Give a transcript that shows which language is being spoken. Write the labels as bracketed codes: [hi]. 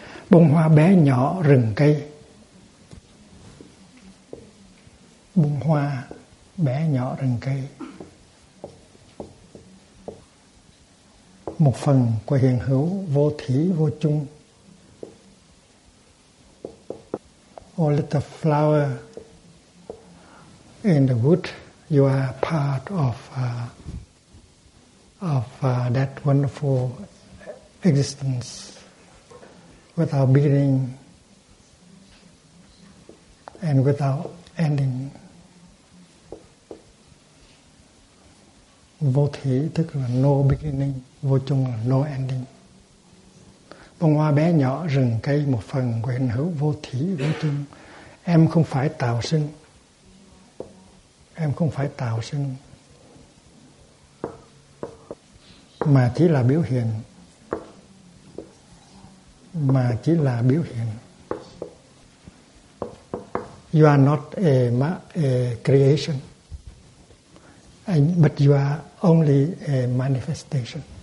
[vi] Bông hoa bé nhỏ rừng cây, bông hoa bé nhỏ rừng cây, một phần của hiện hữu vô thủy vô chung. [en] All little flower in the wood, you are part of that wonderful existence without beginning and without ending. [vi] Vô thủy tức là [en] no beginning, [vi] vô chung là [en] no ending. [vi] Bông hoa bé nhỏ, rừng cây, một phần của hiện hữu vô thủy vô chung. Em không phải tạo sinh, em không phải tạo sinh, mà chỉ là biểu hiện, mà chỉ là biểu hiện. [en] You are not a creation, but you are only a manifestation.